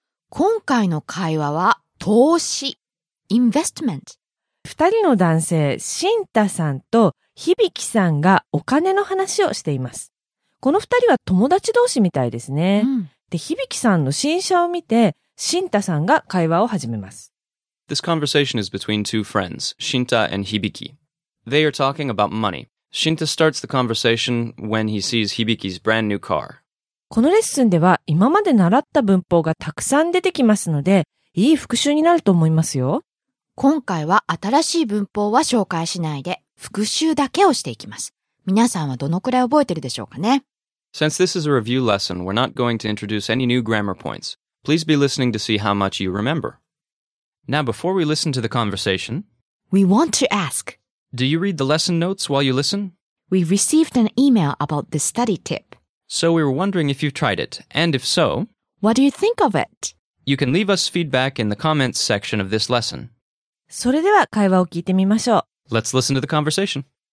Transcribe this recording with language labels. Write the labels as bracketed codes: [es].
[ja] 今回の会話は投資、investment。二人の男性、シンタさんと響さんがお金の話をしています。この二人は友達同士みたいですね。うん、で、響さんの新車を見て、シンタさんが会話を始めます。 [en] This conversation is between two friends, Shinta and Hibiki. They are talking about money. Shinta starts the conversation when he sees Hibiki's brand new car. [ja] このレッスンでは今まで習った文法がたくさん出てきますので、いい復習になると思いますよ。今回は新しい文法は紹介しないで、復習だけをしていきます。皆さんはどのくらい覚えてるでしょうかね? [en] Since this is a review lesson, we're not going to introduce any new grammar points. Please be listening to see how much you remember. Now, before we listen to the conversation, we want to ask, do you read the lesson notes while you listen? We received an email about this study tip. So we were wondering if you've tried it, and if so, what do you think of it? You can leave us feedback in the comments section of this lesson. [ja] それでは会話を聞いてみましょう。 [en] Let's listen to the conversation.